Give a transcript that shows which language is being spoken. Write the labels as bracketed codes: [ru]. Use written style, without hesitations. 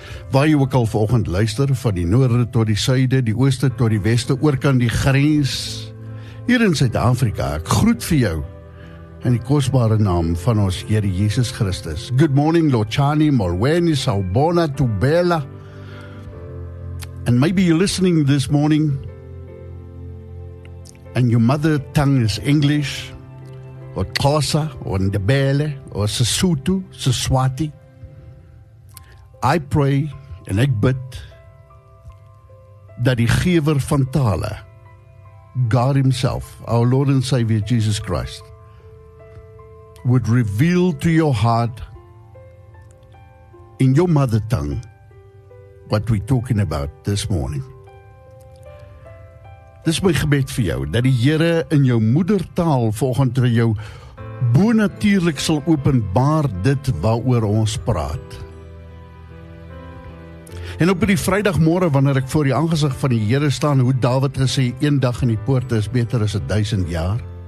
[af] Waar jy ook al vanoggend luister, van die noorde tot die suide, die ooste tot die weste, oorkant die grens, hier in Suid-Afrika, ek groet vir jou in die kosbare naam van ons Here Jesus Christus. [en] Good morning, Lochani, Morweni, Saubona, Tubela. And maybe you're listening this morning and your mother tongue is English, or Xhosa, or Ndebele, or Sesotho, Seswati. I pray and [af] ek bid dat die gewer van tale, [en] God Himself, our Lord and Savior Jesus Christ, would reveal to your heart in your mother tongue what we're talking about this morning. [af] Dis my gebed vir jou, dat die Here in jou moedertaal volgend vir jou bonatuurlik sal openbaar dit waaroor ons praat. En op die vrijdagmorgen, wanneer ek voor die aangezicht van die Here staan, hoe David gesê, een dag in die poorte is beter as 1000 jaar.